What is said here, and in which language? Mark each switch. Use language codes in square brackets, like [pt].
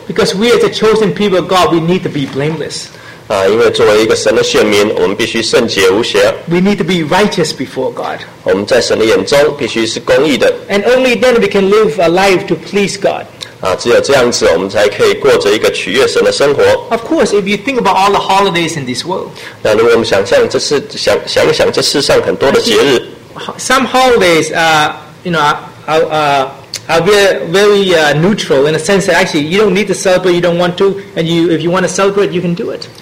[en] Because we as a chosen people of God, we need to be blameless. [zh] 因为作为一个神的选民，我们必须圣洁无瑕。 [en] We need to be righteous before God. [zh] 我们在神的眼中必须是公义的。 [en] And only then we can live a life to please God. [zh] 只有这样子，我们才可以过着一个取悦神的生活。 [en] Of course, if you think about all the holidays in this world. [zh] 那如果我们想象这世上很多的节日。 [en] Some holidays are very neutral in a sense that actually you don't need to celebrate, you don't want to, and if you want to celebrate, you can do it.